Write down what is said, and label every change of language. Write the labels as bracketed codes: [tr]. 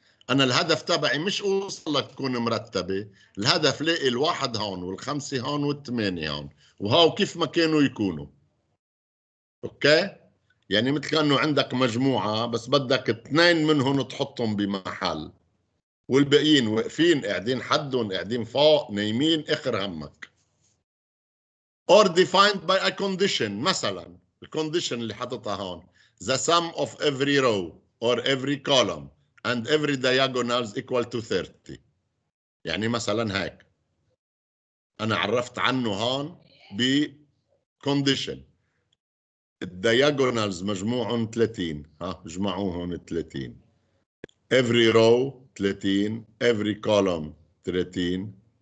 [ar] أنا الهدف تبعي مش أوصل لك تكون مرتبة، الهدف لقي 1 هون و5 هون و8 هون، وهو كيف ما كانوا يكونوا. أوكي؟ يعني مثل كأنه عندك مجموعة بس بدك 2 منهم تحطهم بمحل، والباقيين واقفين قاعدين حدهم قاعدين فوق نايمين آخر همك. [en] Or defined by a condition. [ar] مثلا الكونديشن اللي حطتها هون، [en] the sum of every row or every column and every diagonal is equal to 30. [ar] يعني مثلا هيك انا عرفت عنه هون ب condition الدياجونالز مجموعهم 30، ها اجمعوا هون 30، [en] every row [ar] 30، [en] every column [ar] 30.